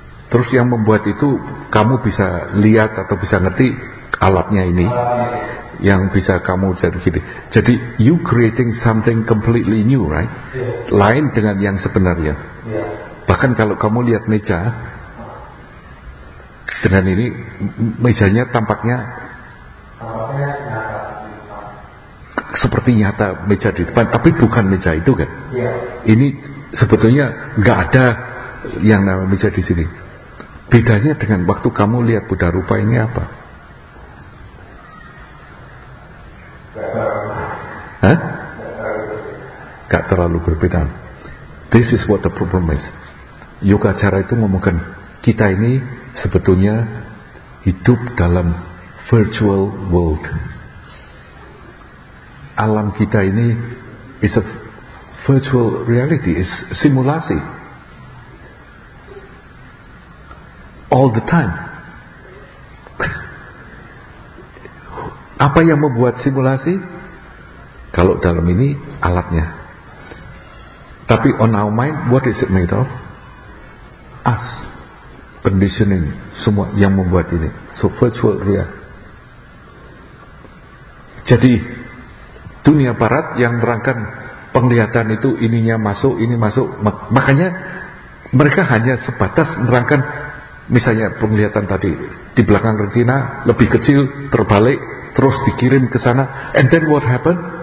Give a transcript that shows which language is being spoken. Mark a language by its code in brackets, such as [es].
[id] Terus yang membuat itu kamu bisa lihat atau bisa ngerti alatnya ini yang bisa kamu jadi gini. Jadi [en] you creating something completely new, right? Yeah. [id] Lain dengan yang sebenarnya. [en] Yeah. [id] Bahkan kalau kamu lihat meja dengan ini, mejanya tampaknya nyata. Seperti nyata meja di depan, tapi bukan meja itu kan? [en] Yeah. [id] Ini sebetulnya nggak ada yang namanya meja di sini. Bedanya dengan waktu kamu lihat Buddha rupa ini apa? Gak terlalu berbeda. [en] This is what the problem is. [id] Yogacara itu ngomongkan kita ini sebetulnya hidup dalam [en] virtual world. [id] Alam kita ini [en] is a virtual reality, is simulasi. All the time. [id] Apa yang membuat simulasi? Kalau dalam ini alatnya. Tapi [en] on our mind, what is it made of? [id] Us, conditioning, semua yang membuat ini. [en] So virtual real. [id] Jadi dunia barat yang terangkan penglihatan itu ininya masuk, ini masuk, makanya mereka hanya sebatas menerangkan, misalnya penglihatan tadi di belakang retina lebih kecil, terbalik, terus dikirim ke sana, [en] and then what happened?